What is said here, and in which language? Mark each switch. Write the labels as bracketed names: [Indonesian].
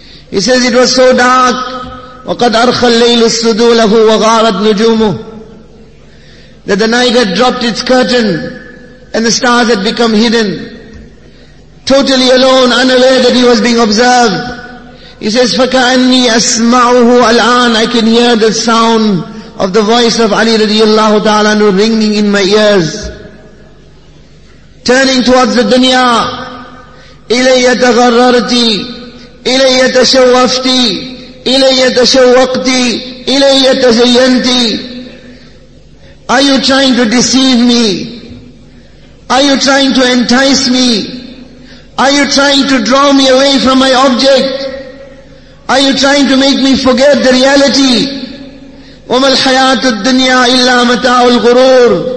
[English] He says it was so dark, [Arabic] وَقَدْ أَرْخَ اللَّيْلُ السُّدُولَهُ وَغَارَتْ نُجُومُهُ, [English] that the night had dropped its curtain and the stars had become hidden. Totally alone, unaware that he was being observed. He says, [Arabic] فَكَأَنِّي أَسْمَعُهُ الْآنِ, [English] I can hear the sound of the voice of Ali radiallahu ta'ala ringing in my ears. Turning towards the dunya, [Arabic] إِلَيَّ تَغَرَّرْتِ, إِلَيَّ تَشَوَّفْتِ, إِلَيَّ تَشَوَّقْتِ, إِلَيَّ تَزَيَّنْتِ. [English] Are you trying to deceive me? Are you trying to entice me? Are you trying to draw me away from my object? Are you trying to make me forget the reality? [Arabic] وَمَا الْحَيَاةُ الدُّنْيَا إِلَّا مَتَاعُ الْغُرُورِ.